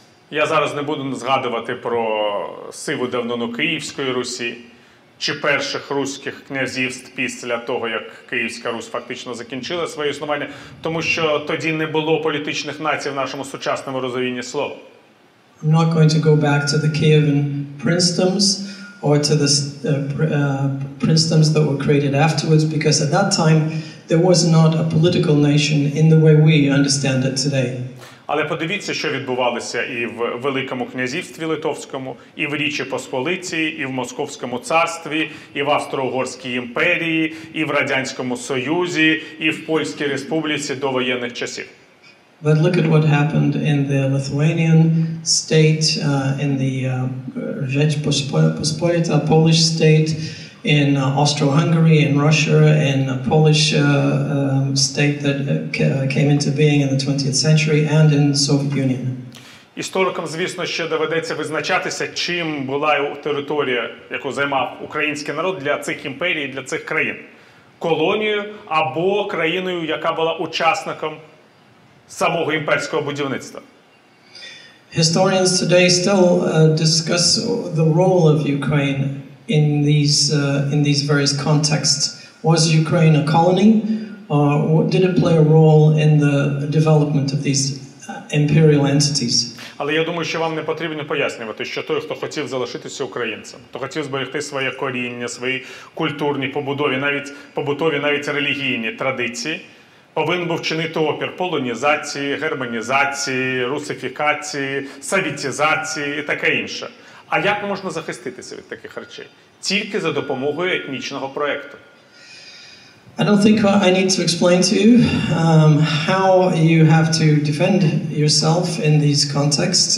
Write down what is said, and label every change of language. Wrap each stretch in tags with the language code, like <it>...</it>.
<uk>Я зараз не буду згадувати про сиву давнину Київської Русі чи перших руських князівств після того, як Київська Русь фактично закінчила своє існування, тому що тоді не було політичних націй в нашому сучасному розумінні слова.</uk> <en>I'm not going to go back to the Kievan princedoms or to the princedoms that were created afterwards, because at that time there was not a political nation in the way we understand it today.</en> <uk>Але подивіться, що відбувалося і в Великому князівстві Литовському, і в Річі Посполиті, і в Московському царстві, і в Австро-Угорській імперії, і в Радянському Союзі, і в Польській Республіці до воєнних часів.</uk> <en>But look at what happened in the Lithuanian state, in the Rzecz Pospolita, Polish state, in Austro-Hungary, in Russia, in a Polish state that came into being in the 20th century, and in the Soviet Union.</en> <uk>Історикам, звісно, ще доведеться визначатися, чим була територія, яку займав український народ для цих імперій, для цих країн. Колонією або країною, яка була учасником самого імперського будівництва.</uk> <en>Historians today still discuss the role of Ukraine in these various contexts. Was Ukraine a colony, or did it play a role in the development of these imperial entities?</en> <uk>Але я думаю, що вам не потрібно пояснювати, що той, хто хотів залишитися українцем, хто хотів зберегти своє коріння, свої культурні побудові, навіть побутові, навіть релігійні традиції, повинен був чинити опір полонізації, германізації, русифікації, совітизації і таке інше. А як можна захиститися від таких речей? Тільки за допомогою етнічного проекту.</uk> <en>I don't think I need to explain to you how you have to defend yourself in these contexts.</en>